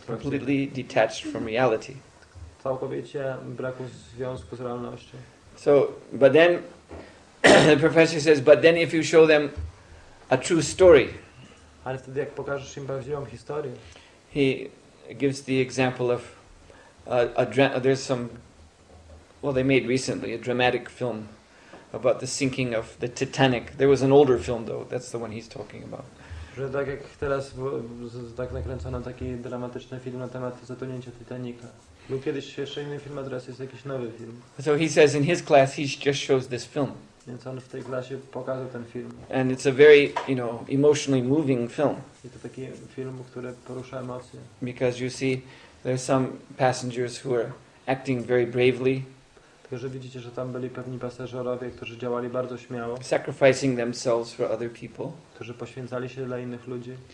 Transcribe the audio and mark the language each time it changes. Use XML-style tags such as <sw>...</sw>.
<en>Completely detached from reality.</en> <pl>Całkowicie braku związku z realnością.</pl> <en>So, but then the professor says, but then if you show them a true story.</en> <pl>Ale wtedy jak pokażesz im prawdziwą historię.</pl> <en>He gives the example of there's some, well, they made recently a dramatic film about the sinking of the Titanic. There was an older film though. That's the one he's talking about.</en> <pl>Że tak jak teraz tak nakręcono taki dramatyczny film na temat zatonięcia Titanika. Był kiedyś jeszcze inny film, a teraz jest jakiś nowy film.</pl> <en>So he says in his class he just shows this film.</en> <pl>Więc on w tej klasie pokazał ten film.</pl> <en>And it's a very, you know, emotionally moving film.</en> <pl>I to taki film, który porusza emocje.</pl> <en>Because you see there's some passengers who are acting very bravely.</en> <pl>Że widzicie, że tam byli pewni pasażerowie, którzy działali bardzo śmiało.</pl> <en>Sacrificing themselves for other people.</en> <pl>Którzy poświęcali się dla innych ludzi.</pl>